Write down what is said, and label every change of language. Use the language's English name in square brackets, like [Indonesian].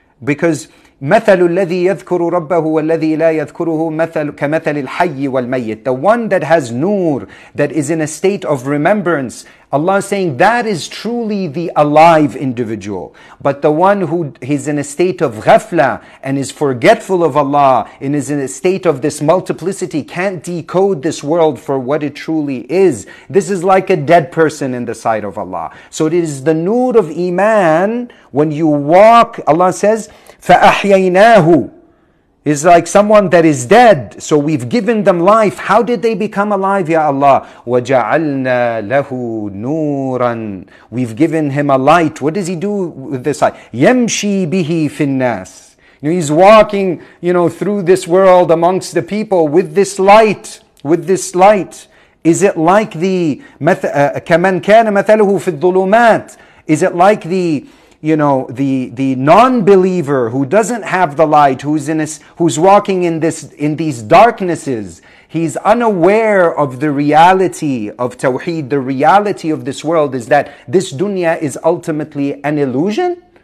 [English] Because [Arabic] مَثَلُ الَّذِي يَذْكُرُ رَبَّهُ وَالَّذِي لَا يَذْكُرُهُ كَمَثَلِ الْحَيِّ وَالْمَيِّتِ. [English] The one that has nur, that is in a state of remembrance, Allah is saying that is truly the alive individual. But the one who is in a state of ghafla and is forgetful of Allah and is in a state of this multiplicity, can't decode this world for what it truly is. This is like a dead person in the sight of Allah. So it is the nur of iman. When you walk, Allah says, [Arabic] فَأَحْيَيْنَاهُ [English] is like someone that is dead. So we've given them life. How did they become alive, Ya Allah? [Arabic] وَجَعَلْنَا لَهُ نُورًا. [English] We've given him a light. What does he do with this light? [Arabic] يَمْشِي بِهِ فِي النَّاسِ. [English] You know, he's walking, you know, through this world amongst the people with this light, with this light. Is it like the [Arabic] كَمَنْ كَانَ مَثَلُهُ فِي الظُّلُمَاتِ? [English] Is it like the, you know, the non-believer who doesn't have the light, who's walking in these darknesses, he's unaware of the reality of Tawheed, the reality of this world, is that this dunya is ultimately an illusion?